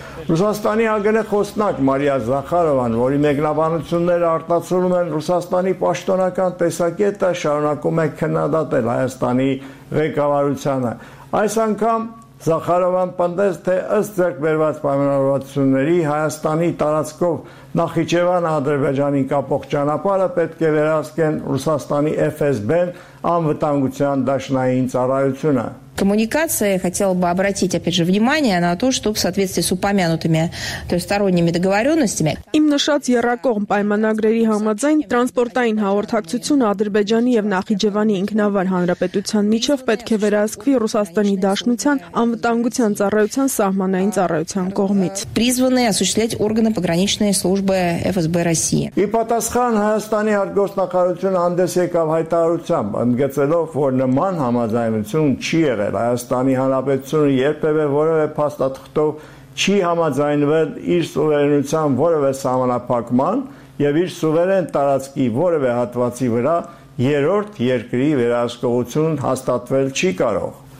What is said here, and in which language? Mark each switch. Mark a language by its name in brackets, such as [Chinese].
[Armenian] Ռուսաստանի ԱԳՆ խոսնակ Մարիա Զախարովան, որի մեկնաբանությունները արտացոլում են Ռուսաստանի պաշտոնական տեսակետը, շարունակում է քննադատել Հայաստանի ղեկավարությանը։ Այս անգամ Զախարովան պնդեց, թե ըստ ձեռքբերված պայմանավորվածությունների Հայաստանի տարածքով Նախիջևան-Ադրբեջանի կապող ճանապարհը պետք է վերահսկեն Ռուսաստանի ՖՍԲ-ն անվտանգության դաշնային ծառայությունը։ [Russian] Коммуникация, хотела бы обратить, опять же, внимание на то, что в соответствии с упомянутыми, то есть сторонними договоренностями. [Armenian] Իմ նշած երակող պայմանագրերի համաձայն տրանսպորտային հաղորդակցությունը Ադրբեջանի և Նախիջևանի ինքնավար հանրապետության միջև պետք է վերահսկվի Ռուսաստանի Դաշնության անվտանգության ծառայության սահմանային ծառայության կողմից։ [Russian] Призваны осуществлять органы пограничной службы ФСБ России. [Armenian] Ի պատասխան Հայաստանի արտգործնախարարությունը հանդես եկավ հայտարարությամբ, ընդգծելով, որ նման համաձայնություն չի եղել, Հայաստանի Հանրապետությունը երբևէ որևէ փաստաթղթով չի համաձայնվել իր սուվերենության որևէ սահմանափակման և իր սուվերեն տարածքի որևէ հատվածի վրա երրորդ երկրի վերահսկողություն հաստատվել չի կարող,